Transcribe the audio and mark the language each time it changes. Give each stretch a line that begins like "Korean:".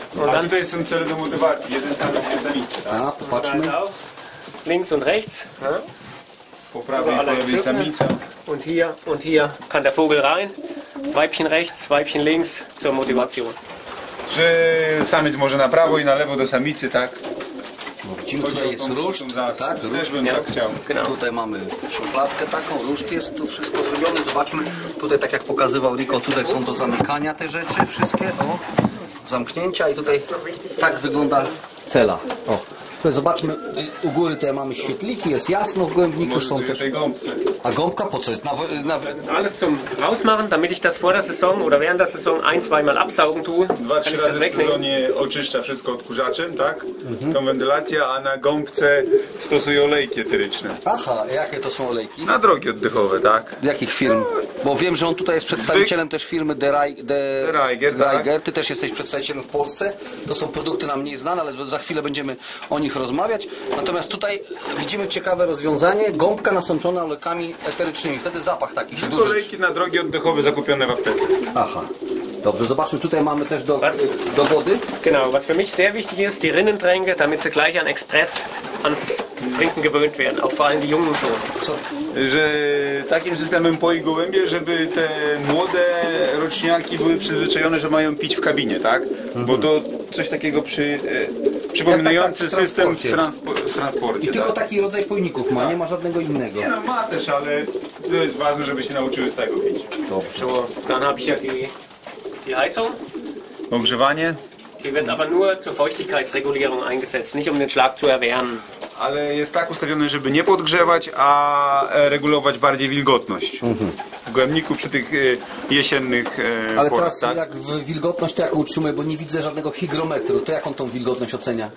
German: Und dann
Polish: tutaj są cele do motywacji. Jeden sam, drugi sam idzie. A, popatrzmy.
German: Links und rechts.
Polish: Po prawej, po lewej samica.
German: Und hier kann der Vogel rein. Weibchen rechts, Weibchen links zur Motivation.
Polish: Że samiec może na prawo i na lewo do samicy, tak? Widzimy, tutaj jest ruszt, tak? Też bym tak chciał. Tutaj mamy szufladkę taką, ruszt jest tu wszystko zrobione. Zobaczmy, tutaj tak jak pokazywał Rico, tutaj są do zamykania te rzeczy wszystkie, o, zamknięcia i tutaj tak wygląda cela. O, tutaj zobaczmy, u góry tutaj mamy świetliki, jest jasno w głębniku, są też... A gąbka po co jest? Na...
German: Alles zum rausmachen, damit ich das vor der Saison oder während der Saison ein, zweimal absaugen tu.
Polish: Dwa, trzy razy w sezonie oczyszcza wszystko odkurzaczem, tak? Mhm. Tą wentylację, a na gąbce stosuje olejki eteryczne. Aha, jakie to są olejki? Na drogi oddechowe, tak? Jakich firm? Bo wiem, że on tutaj jest przedstawicielem też firmy De Reiger. Ty też jesteś przedstawicielem w Polsce. To są produkty nam mniej znane, ale za chwilę będziemy o nich rozmawiać. Natomiast tutaj widzimy ciekawe rozwiązanie. Gąbka nasączona olejkami eterycznymi. Wtedy zapach taki się duży. Olejki na drogi oddechowe zakupione w aptece. Aha. Dobrze, zobaczmy. Tutaj mamy też do wody.
German: Genau, was für mich sehr wichtig ist, die Rinnentränke, damit sie gleich an Express ans Trinken gewöhnt werden. Auch vor allem die Jungen schon.
Polish: Co? Że takim systemem poi gołębie, żeby te młode roczniaki były przyzwyczajone, że mają pić w kabinie, tak? Mhm. Bo to coś takiego przypominający system w transporcie. I tylko tak? Taki rodzaj pojników ma, nie ma żadnego innego. Nie, no ma też, ale to jest ważne, żeby się nauczyły z tego pić. Dobrze.
German: Dann habe ich hier die Heizung.
Polish: Ogrzewanie.
German: Die wird aber nur zur Feuchtigkeitsregulierung eingesetzt, nicht um den Schlag zu erwärmen.
Polish: Ale jest tak ustawione, żeby nie podgrzewać, a regulować bardziej wilgotność. Mhm. W gołębniku przy tych jesiennych Ale teraz tak? Jak w wilgotność, to jak utrzymuje, bo nie widzę żadnego higrometru. To jak on tą wilgotność ocenia?